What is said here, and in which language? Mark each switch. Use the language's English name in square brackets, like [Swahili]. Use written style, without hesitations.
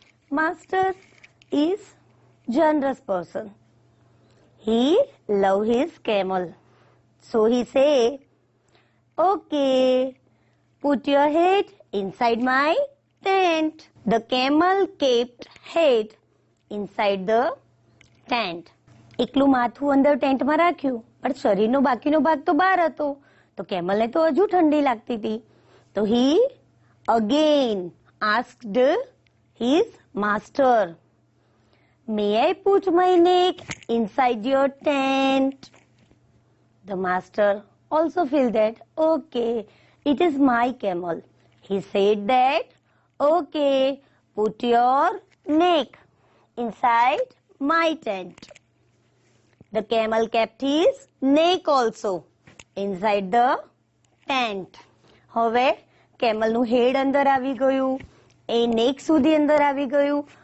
[English] Master is generous person. He love his camel. So he say, okay, put your head inside my tent. The camel kept head inside the tent. [Gujarati] એકલું માથું અંદર ટેન્ટમાં રાખ્યું પણ શરીરનો બાકીનો ભાગ તો બહાર હતો, તો કેમલને તો હજુ ઠંડી લાગતી હતી. [English] તો he again asked his master, may I put my neck inside your tent? The master also feel that, okay it is my camel. He said that, okay put your neck inside my tent. The camel kept his neck also inside the tent. [Gujarati] હવે camel નું હેડ અંદર આવી ગયું, એ નેક સુધી અંદર આવી ગયું.